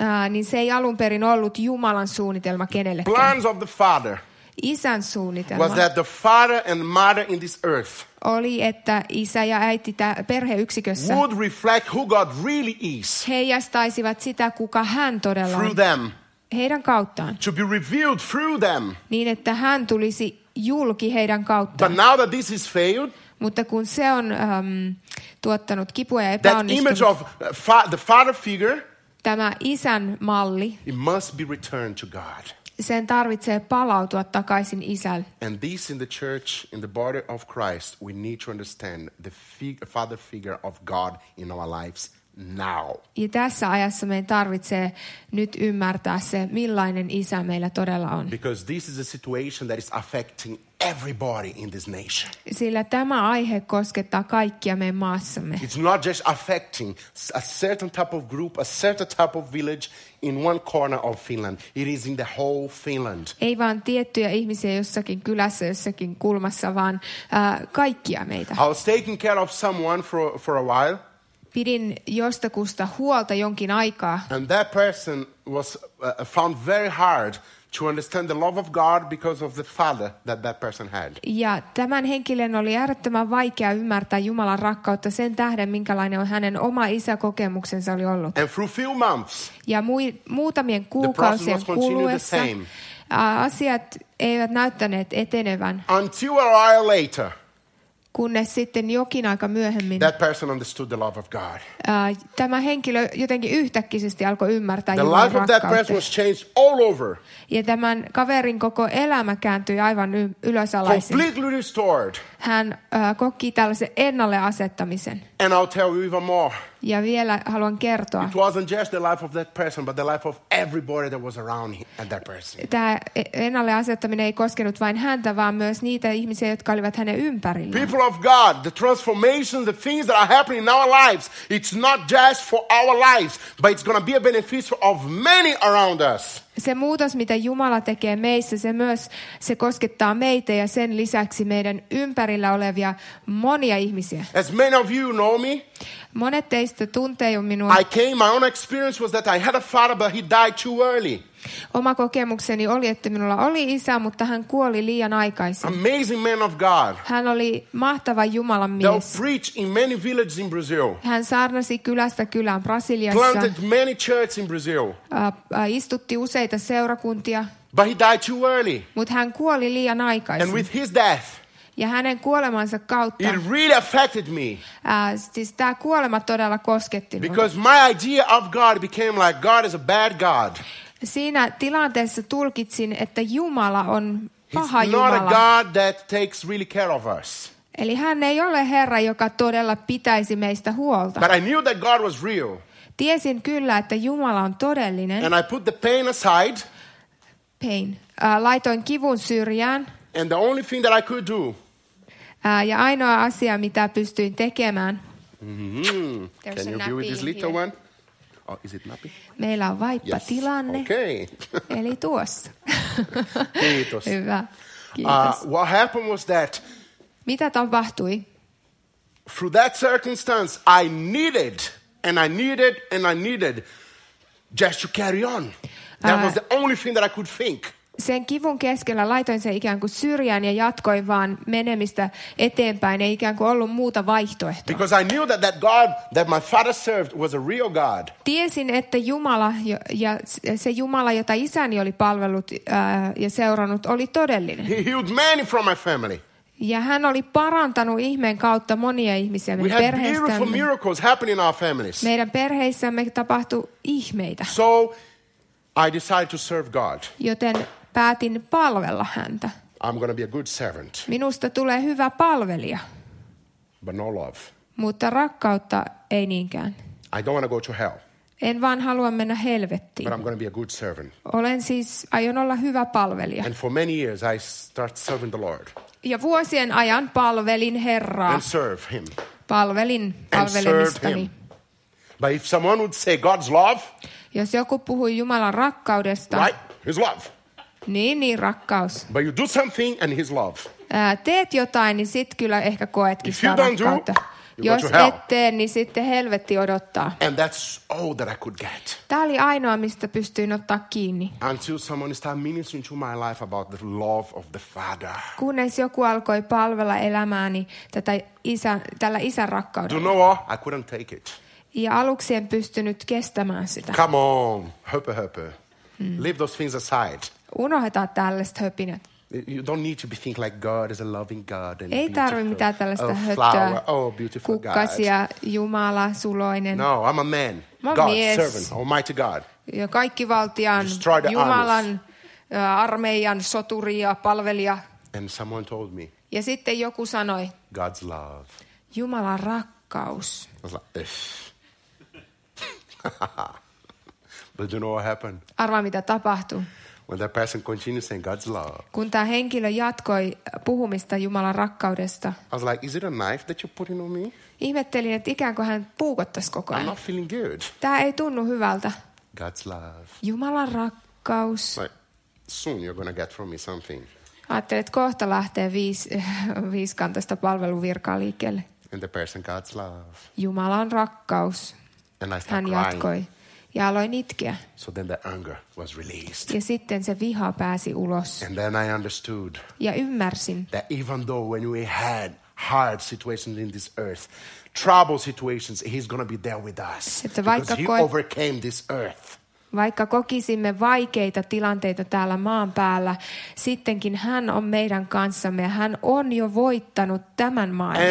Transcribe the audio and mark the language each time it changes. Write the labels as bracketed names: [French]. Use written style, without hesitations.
[Finnish] Niin se ei alun perin ollut Jumalan suunnitelma kenellekään. [English] Plans of the father. [Finnish] Isän suunnitelma. [English] Was that the father and mother in this earth? [Finnish] Oli, että isä ja äiti perheyksikössä [English] would reflect who God really is. [Finnish] Heijastaisivat sitä, kuka hän todella [English] through [Finnish] on. [English] Them. [Finnish] Heidän kauttaan. [English] To be revealed through them. [Finnish] Niin, että hän tulisi julki heidän kauttaan. [English] But now that this is failed, [Finnish] mutta kun se on tuottanut kipua ja epäonnistunut, [English] that image of the father figure, [Finnish] tämä isän malli, [English] it must be returned to God. [Finnish] Sen tarvitsee palautua takaisin isälle. [English] And this in the church, in the body of Christ, we need to understand the father figure of God in our lives now. [Finnish] Ja tässä ajassa meidän tarvitsee nyt ymmärtää se, millainen isä meillä todella on. [English] Because this is a situation that is affecting everybody in this nation. [Finnish] Sillä tämä aihe koskettaa kaikkia meidän maassamme. [English] It's not just affecting a certain type of group, a certain type of village in one corner of Finland. It is in the whole Finland. [Finnish] Ei vaan tiettyjä ihmisiä jossakin kylässä, jossakin kulmassa, vaan kaikkia meitä. [English] I was taking care of someone for a while. [Finnish] Pidin jostakusta huolta jonkin aikaa. [English] And that person was found very hard to understand the love of God because of the father that that person had. [Finnish] Ja tämän henkilön oli äärettömän vaikea ymmärtää Jumalan rakkautta sen tähden, minkälainen on hänen oma isäkokemuksensa oli ollut. [English] And for a few months, [Finnish] ja muutamien kuukausien kuluessa asiat eivät näyttäneet etenevän. [English] Until a while later, [Finnish] kunnes sitten jokin aika myöhemmin [English] that person understood the love of God. [Finnish] Tämä henkilö jotenkin yhtäkkisesti alkoi ymmärtää [English] the [Finnish] Jumalan [English] life of that person was changed all over. [Finnish] Ja tämän kaverin koko elämä kääntyi aivan ylösalaisin. [English] Completely restored. [Finnish] Hän koki tällaisen ennalle asettamisen. [English] And I'll tell you even more. [Finnish] Ja vielä haluan kertoa. [English] It wasn't just the life of that person, but the life of everybody that was around that person. [Finnish] Tämä ennalle asettaminen ei koskenut vain häntä, vaan myös niitä ihmisiä, jotka olivat hänen ympärillään. [English] People of God, the transformation, the things that are happening in our lives, it's not just for our lives, but it's going to be a benefit of many around us. [Finnish] Se muutos, mitä Jumala tekee meissä, se myös koskettaa meitä ja sen lisäksi meidän ympärillä olevia monia ihmisiä. [English] As many of you know me, [Finnish] monet teistä tuntee jo minua. [English] I came, my own experience was that I had a father, but he died too early. [Finnish] Oma kokemukseni oli, että minulla oli isä, mutta hän kuoli liian aikaisin. [English] Amazing man of God. [Finnish] Hän oli mahtava Jumalan mies. [English] They'll preach in many villages in Brazil. [Finnish] Hän saarnasi kylästä kylään Brasiliassa. [English] Planted many churches in Brazil. [Finnish] Istutti useita seurakuntia. [English] But he died too early. [Finnish] Mutta hän kuoli liian aikaisin. [English] And with his death, [Finnish] ja hänen kuolemansa kautta, [English] it really affected me. [Finnish] Siis tämä kuolema todella kosketti minua. [English] Because my idea of God became like God is a bad God. [Finnish] Siinä tilanteessa tulkitsin, että Jumala on paha [English] He's [Finnish] Jumala. [English] Not a God that takes really care of us. [Finnish] Eli hän ei ole Herra, joka todella pitäisi meistä huolta. [English] But I knew that God was real. [Finnish] Tiesin kyllä, että Jumala on todellinen. [English] And I put the pain aside. Pain. [Finnish] Laitoin kivun syrjään. [English] And the only thing that I could do. [Finnish] Ja ainoa asia, mitä pystyin tekemään. [English] Mm-hmm. Can you be with this little one? Oh, is it nappy? [Finnish] Meillä on vaippa [English] yes. [Finnish] Tilanne. [English] Okay. [Finnish] Eli tuossa. Kiitos. Hyvä. Kiitos. [English] What happened was that? [Finnish] Mitä tapahtui? [English] Through that circumstance, I needed and I needed and I needed just to carry on. That was the only thing that I could think. [Finnish] Sen kivun keskellä laitoin sen ikään kuin syrjään ja jatkoin vaan menemistä eteenpäin. Ei ikään kuin ollut muuta vaihtoehtoa. [English] Because I knew that God that my father served was a real God. [Finnish] Tiesin, että Jumala ja se Jumala, jota isäni oli palvellut ja seurannut, oli todellinen. [English] He healed many from my family. [Finnish] Ja hän oli parantanut ihmeen kautta monia ihmisiä meidän perheistämme. [English] We had beautiful miracles happening in our families. [Finnish] Meidän perheissämme tapahtui ihmeitä. [English] So I decided to serve God. [Finnish] Joten päätin palvella häntä. [English] I'm going to be a good servant. [Finnish] Minusta tulee hyvä palvelija. [English] But no love. [Finnish] Mutta rakkautta ei niinkään. [English] I don't want to go to hell. [Finnish] En vaan halua mennä helvettiin. [English] But I'm going to be a good servant. [Finnish] Olen siis, aion olla hyvä palvelija. [English] And for many years I start serving the Lord. [Finnish] Ja vuosien ajan palvelin Herraa. [English] And serve him. [Finnish] Palvelin palvelemistani. [English] But if someone would say God's love, [Finnish] jos joku puhui Jumalan rakkaudesta, [English] right, his love. [Finnish] Niin, rakkaus. [English] But you do something and his love. [Finnish] Teet jotain, niin sit kyllä ehkä koetkin sitä rakkautta. Jos et tee, niin sitten helvetti odottaa. [English] And that's all that I could get. [Finnish] Tämä oli ainoa, mistä pystyin ottaa kiinni. [English] Until someone started ministering to my life about the love of the Father. [Finnish] Kunnes joku alkoi palvella elämääni tällä isän rakkaudella. [English] Do you know what? I couldn't take it. [Finnish] Ja aluksi en pystynyt kestämään sitä. [English] Come on, [Finnish] höpö. [English] Leave those things aside. [Finnish] Unohdetaan tällaista höpinät. [English] You don't need to be think like God is a loving God and [Finnish] ei tarvi mitään tällaista höttöä. [English] Oh, beautiful God. [Finnish] Kukkasia, Jumala, suloinen. [English] No, I'm a man. God's servant, almighty God. [Finnish] Ja kaikkivaltian, Jumalan, armeijan, soturi ja palvelija. [English] And someone told me. [Finnish] Ja sitten joku sanoi. [English] God's love. [Finnish] Jumalan rakkaus. [English] I was like, But you know what happened? [Finnish] Arvaa, mitä tapahtui. [English] When that person continued saying God's love. [Finnish] Kun tämä henkilö jatkoi puhumista Jumalan rakkaudesta. [English] I was like, is it a knife that you're putting on me? [Finnish] Ihmettelin, että ikään kuin hän puukottaisi koko ajan. [English] I'm not feeling good. [Finnish] Tämä ei tunnu hyvältä. [English] God's love. [Finnish] Jumalan rakkaus. [English] Like, soon you're gonna get from me something. [Finnish] Ajattelin, että kohta lähtee viiskantaista palveluvirkaa liikkeelle. [English] And the person, God's love. [Finnish] Jumalan rakkaus. [English] And I [Finnish] hän jatkoi. [English] Crying. [Finnish] Ja aloin itkeä. [English] So then the anger was released. [Finnish] Ja sitten se viha pääsi ulos. [English] And then I understood. [Finnish] Ja ymmärsin. [English] That even though when we had hard situations in this earth, trouble situations, he's going to be there with us. [Finnish] Että [English] because he overcame this earth. [Finnish] Vaikka kokisimme vaikeita tilanteita täällä maan päällä, sittenkin hän on meidän kanssamme. Hän on jo voittanut tämän maailman.